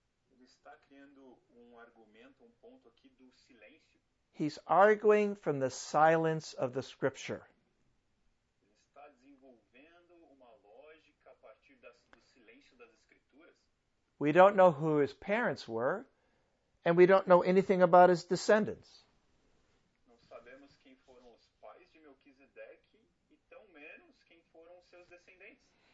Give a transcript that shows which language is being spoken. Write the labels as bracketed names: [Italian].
[Portuguese] Ele está criando um argumento, um ponto aqui do silêncio. [English] He's arguing from the silence of the scripture. [Portuguese] Ele está desenvolvendo uma lógica a partir do silêncio das escrituras. [English] We don't know who his parents were, and we don't know anything about his descendants. [Portuguese] Não sabemos quem foram os pais de Melquisedec, e tão menos quem foram seus descendentes.